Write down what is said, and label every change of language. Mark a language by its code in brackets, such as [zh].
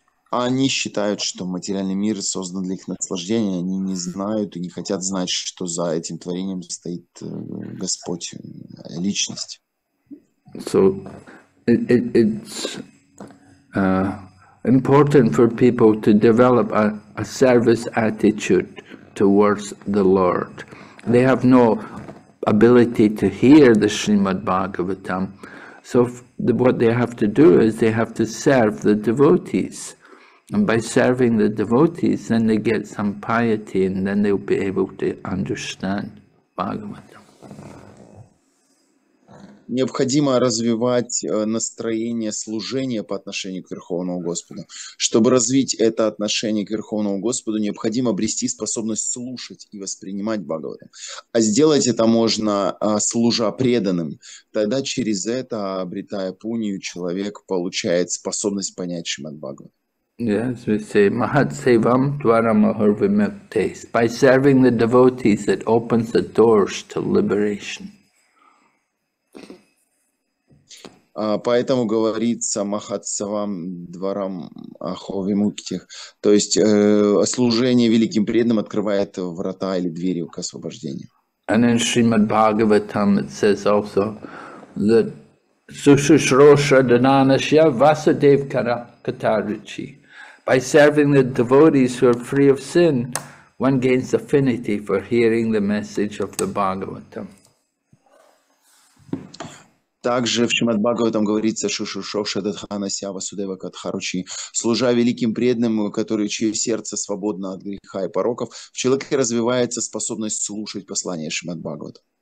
[ru] Они считают, что материальный мир создан для их наслаждения. Они не знают и не хотят знать, что за этим творением стоит Господь, личность. [en] So it's important for people to develop a service attitude towards the Lord. They have no ability to hear the Srimad Bhagavatam. So what they have to do is they have to serve the devotees. And by serving the devotees, then they get some piety, and then they'll be able to understand Bhagavatam. [ru] Необходимо развивать настроение служения по отношению к Верховному Господу. Чтобы развить это отношение к Верховному Господу, необходимо обрести способность слушать и воспринимать Бхагаватам. А сделать это можно, служа преданным. Тогда через это, обретая пунию, человек получает способность понять Шримад Бхагаватам. [en] Yes, we say [sa] Mahat Sevam Dwaramahur Vimukte. [en] By serving the devotees, it opens the doors to liberation. [ru] Поэтому говорится [sa] Mahat Sevam Dwaramahur Vimukte. [ru] То есть служение великим преданным открывает врата или двери к освобождению. [en] And in Srimad Bhagavatam it says also that [sa] Sushushrosha Dananashya Vasudev Katarichi. [en] By serving the devotees who are free of sin, one gains affinity for hearing the message of the Bhagavatam. [ru] Также в Шримад Бхагаватам говорится, [sa] Шушушоша Дадхана Сява Судева Катхаручи, [ru] служа великим преданным, который чье сердце свободно от греха и пороков, в человеке развивается способность слушать послание Шримад Бхагавата.